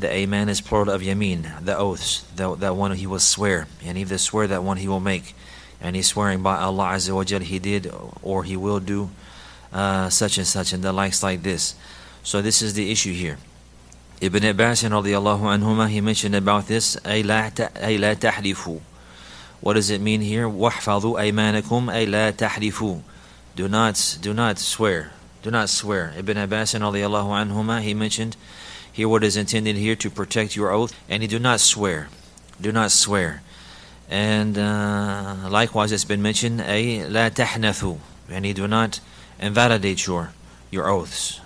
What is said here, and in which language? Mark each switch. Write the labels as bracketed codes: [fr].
[en] The ayman is plural of yameen, the oaths, that one he will swear, and yani the swear that one he will make, and he's swearing by Allah Azza wa Jal, he did or he will do such and such and the likes like this. So this is the issue here. Ibn Abbas radiyallahu anhumah, he mentioned about this, [ar] أي لا تحلفوا. [en] What does it mean here? [ar] وَحْفَظُوا أَيْمَانَكُمْ أي لا تحلفوا. [en] Do not swear. Ibn Abbas radiyallahu anhumah, he mentioned here what is intended here, to protect your oath, and he do not swear. And likewise, it's been mentioned, [ar] أي لا تحنثوا, [en] and he do not invalidate your oaths.